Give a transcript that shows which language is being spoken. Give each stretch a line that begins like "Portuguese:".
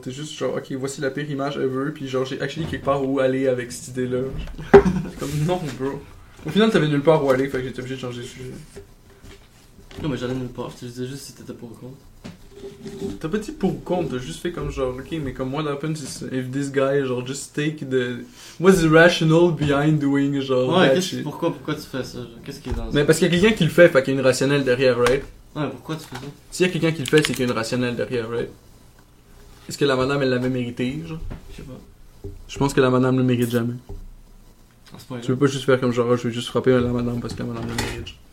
French: T'es juste, genre, ok, voici la pire image ever, puis genre, j'ai actually quelque part où aller avec cette idée-là. Comme, non, bro. Au final, t'avais nulle part où aller, fait que j'étais obligé de changer de sujet. Non, mais j'allais nulle part, je te disais juste si t'étais pour ou contre. T'as pas dit pour ou contre, t'as juste fait comme genre, ok, mais comme what happens if this guy, genre, just take the.
English: What's the rationale behind doing, genre,
French: ouais,
English: that shit?
French: Pourquoi tu fais ça, genre? Qu'est-ce qui est dans ça? Mais parce qu'il y a quelqu'un qui le fait, fait qu'il y a une rationnelle derrière, right? Ouais, pourquoi tu fais ça? S'il y a quelqu'un qui le fait, c'est qu'il y a une rationnelle derrière, right? Est-ce que la madame, elle l'avait mérité, genre? Je sais pas. Je pense que la madame le mérite jamais. À ce point-là. Tu veux pas juste faire comme genre, je vais juste frapper la madame parce que la madame le mérite.